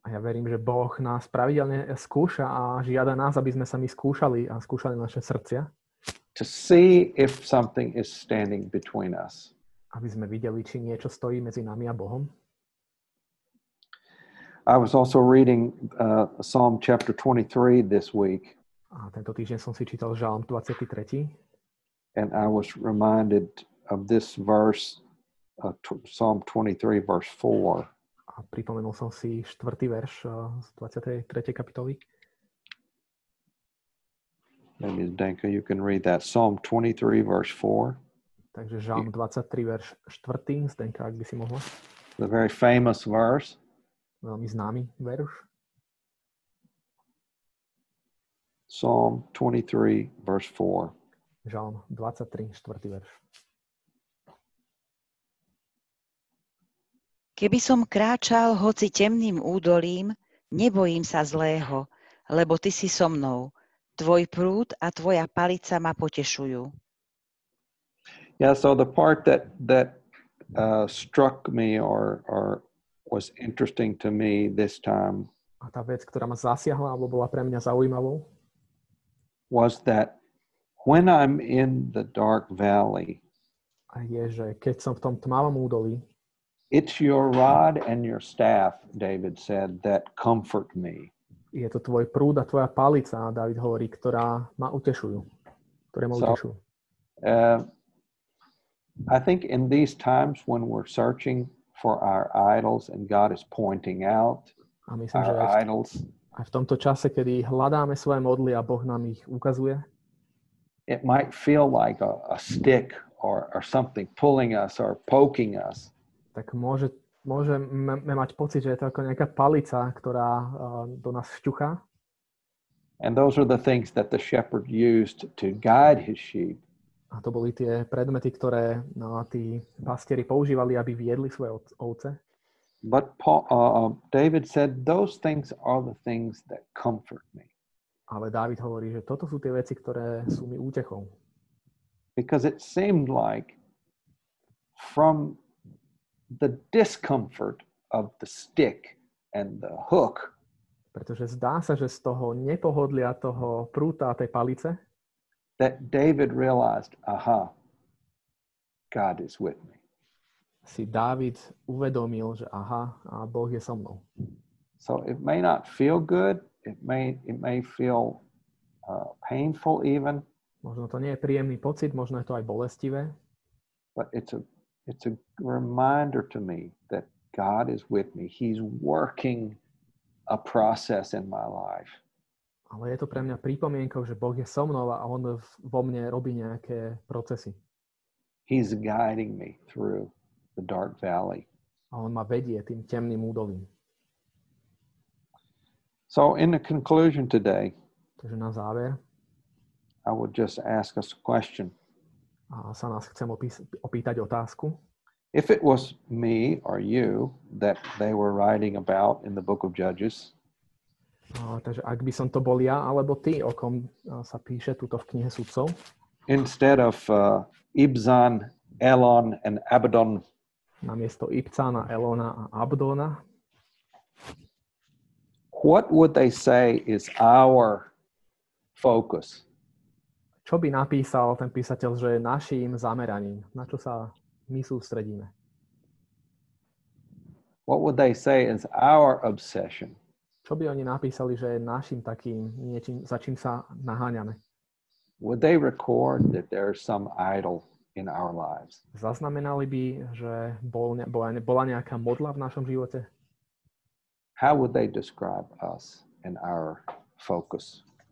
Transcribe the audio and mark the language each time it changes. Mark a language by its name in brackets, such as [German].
[Slovak] A ja verím, že Boh nás pravidelne skúša a žiada nás, aby sme sa my skúšali a skúšali naše srdcia. [English] To see if something is standing between us. [Slovak] Aby sme videli, či niečo stojí medzi nami a Bohom. [English] I was also reading Psalm chapter 23 this week. [Slovak] A tento týždeň som si čítal Žalm 23. [English] And I was reminded of this verse, Psalm 23, verse 4. [Slovak] A pripomenul som si štvrtý verš z 23. kapitoly. [English] Maybe Zdenka, you can read that. Psalm 23, verse 4. [Slovak] Takže Žalm 23, verš 4. Zdenka, ak by si mohla. [English] The very famous verse. [Slovak] Veľmi známy verš. [English] Psalm 23, verse 4. [Slovak] Žalm 23, 4. verš. Keby som kráčal hoci temným údolím, nebojím sa zlého, lebo ty si so mnou. Tvoj prúd a tvoja palica ma potešujú. [English] Yeah, so the part that struck me or was interesting to me this time. [Slovak] A tá vec, ktorá ma zasiahla alebo bola pre mňa zaujímavou, [English] was that when I'm in the dark valley. [Slovak] A je, že keď som v tom tmavom údolí, [English] it's your rod and your staff, David said, that comfort me. [Slovak] Je to tvoj prúd a tvoja palica, David hovorí, ktorá ma utešujú. Ktoré ma utešujú. [English] I think in these times when we're searching for our idols and God is pointing out our idols. [Slovak] A v tomto čase, kedy hľadáme svoje modly a Boh nám ich ukazuje, [English] it might feel like a stick or something pulling us or poking us. [Slovak] Tak môžeme mať pocit, že je to ako nejaká palica, ktorá do nás šťuchá. [English] And those are the things that the shepherd used to guide his sheep. [Slovak] A to boli tie predmety, ktoré tí pastieri používali, aby viedli svoje ovce. [English] But David said, those things are the things that comfort me. [Slovak] Ale David hovorí, že toto sú tie veci, ktoré sú mi útechou. [English] Because it seemed like from the discomfort of the stick and the hook. [Slovak] Pretože zdá sa, že z toho nepohodlia toho prúta a tej palice, [English] that David realized, aha, God is with me. [Slovak] Si David uvedomil, že aha, a Boh je so mnou. [English] So it may not feel good, it may feel painful even. [Slovak] Možno to nie je príjemný pocit, možno je to aj bolestivé. [English] But it's a reminder to me that God is with me. He's working a process in my life. [Slovak] Ale je to pre mňa pripomienkou, že Boh je so mnou a on vo mne robí nejaké procesy. [English] He's guiding me through the dark valley. [Slovak] A on ma vedie tým temným údolím. [English] So in the conclusion today, [Slovak] takže na záver, [English] I would just ask us a question. [Slovak] A sa nás chcem opýtať otázku. [English] If it was me or you that they were writing about in the book of Judges, [Slovak] Takže ak by som to bol ja, alebo ty, o kom sa píše tuto v knihe sudcov? [English] Instead of Ibzan, Elon and Abdon. [Slovak] Namiesto Ibzana, Elona a Abdona. [English] What would they say is our focus? [Slovak] Čo by napísal ten písateľ, že je našim zameraním? Na čo sa my sústredíme? [English] What would they say is our obsession? [Slovak] Čo by oni napísali, že je našim takým niečím, za čím sa naháňame? [English] Would they record that there is some idol in our lives? [Slovak] Zaznamenali by, že bola nejaká modla v našom živote? [English] How would they describe us and our focus?